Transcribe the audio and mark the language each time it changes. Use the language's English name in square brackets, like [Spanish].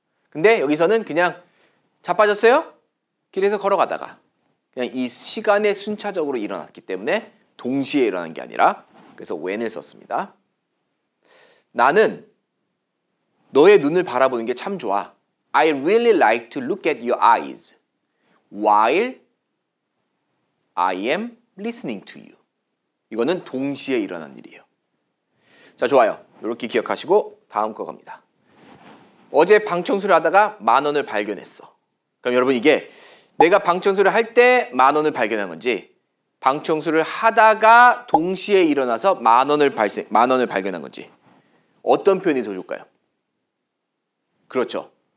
[Korean] 근데 여기서는 그냥 자빠졌어요? 길에서 걸어가다가. 그냥 이 시간에 순차적으로 일어났기 때문에 동시에 일어난 게 아니라 그래서 when을 썼습니다. 나는 너의 눈을 바라보는 게 참 좋아. [English] I really like to look at your eyes while I am listening to you. [Korean] 이거는 동시에 일어난 일이에요. 자, 좋아요. 이렇게 기억하시고 다음 거 갑니다. 어제 방 청소를 하다가 만 원을 발견했어. 그럼 여러분 이게 내가 방 청소를 할 때 만 원을 발견한 건지 방 청소를 하다가 동시에 일어나서 만 원을 발견한 건지 어떤 표현이 더 좋을까요? 그렇죠.